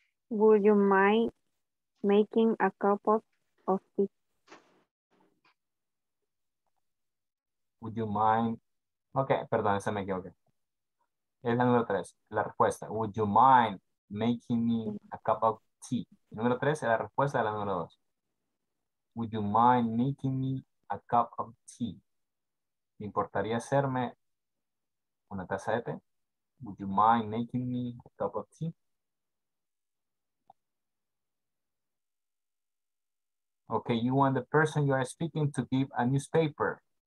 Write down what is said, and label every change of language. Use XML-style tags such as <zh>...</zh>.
<en>Would you mind making a cup of tea? Would you mind? Okay,</en> <es>perdón, se me equivoqué. Es la número tres, la respuesta.</es> <en>Would you mind making me a cup of tea?</en> <es>Número tres es la respuesta de la número dos.</es> <en>Would you mind making me a cup of tea?</en> <es>¿Me importaría hacerme una taza de té?</es> <en>Would you mind making me a cup of tea? Okay, you want the person you are speaking to give a newspaper.</en>